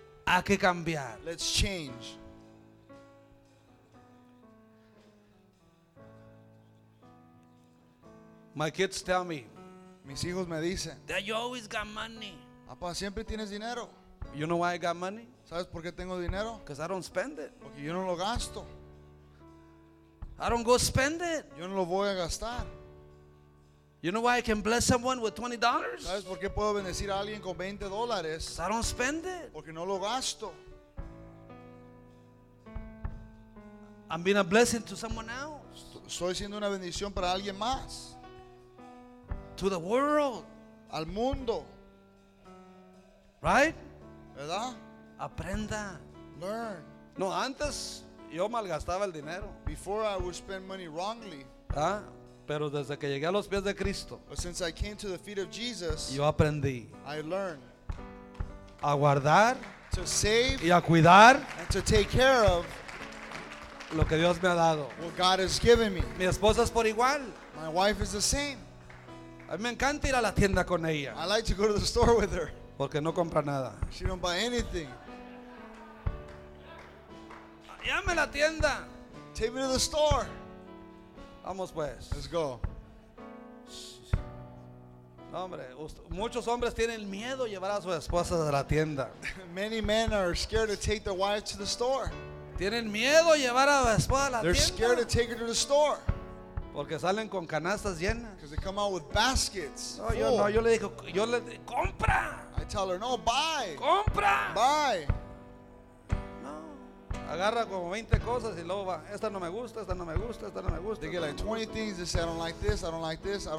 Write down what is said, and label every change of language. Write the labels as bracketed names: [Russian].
[Spanish] Hay que cambiar. [English] Let's change. My kids tell me. [Spanish] Mis hijos me dicen. [English] That you always got money. [Spanish] Papá, siempre tienes dinero. [English] You know why I got money? [Spanish] ¿Sabes por qué tengo dinero? [English] Because I don't spend it. [Spanish] Porque yo no lo gasto. [English] I don't go spend it. [Spanish] Yo no lo voy a gastar. [English] You know why I can bless someone with $20? [Spanish] ¿Sabes por qué puedo bendecir a alguien con $20? [English] Because I don't spend it. [Spanish] Porque no lo gasto. [English] I'm being a blessing to someone else. [Spanish] Estoy siendo una bendición para alguien más. [English] To the world. [Spanish] Al mundo. [English] Right? [Spanish] ¿Verdad? Aprenda. [English] Learn. [Spanish] No, antes yo malgastaba el dinero. [English] Before I would spend money wrongly. ¿Ah? [Spanish] Pero desde que llegué a los pies de Cristo. [English] But since I came to the feet of Jesus. [Spanish] Yo aprendí. [English] I learned. [Spanish] A guardar. [English] To save. [Spanish] Y a cuidar. [English] And to take care of. [Spanish] Lo que Dios me ha dado. [English] What God has given me. [Spanish] Mi esposa es por igual. [English] My wife is the same. [Spanish] A mí me encanta ir a la tienda con ella. [English] I like to go to the store with her. [Spanish] Porque no compra nada. [English] She don't buy anything. [Spanish] Llame la tienda. [English] Take me to the store. [Spanish] Vamos pues. [English] Let's go. [Spanish] Hombre, muchos hombres tienen miedo llevar a su esposa a la tienda. [English] Many men are scared to take their wife to the store. [Spanish] Tienen miedo llevar a su esposa a la [English] They're [Spanish] tienda. [English] They're scared to take her to the store. [Spanish] Porque salen con canastas llenas. [English] Because they come out with baskets. [Spanish] No, yo no, yo le digo, yo le digo, compra. [English] I tell her, no, buy. [Spanish] Compra. [English] Buy. [Spanish] No. Agarra como 20 cosas y luego va, esta no me gusta, esta no me gusta, esta no me gusta. [English] They get like 20 things, they say, I don't like this, I don't like this, I don't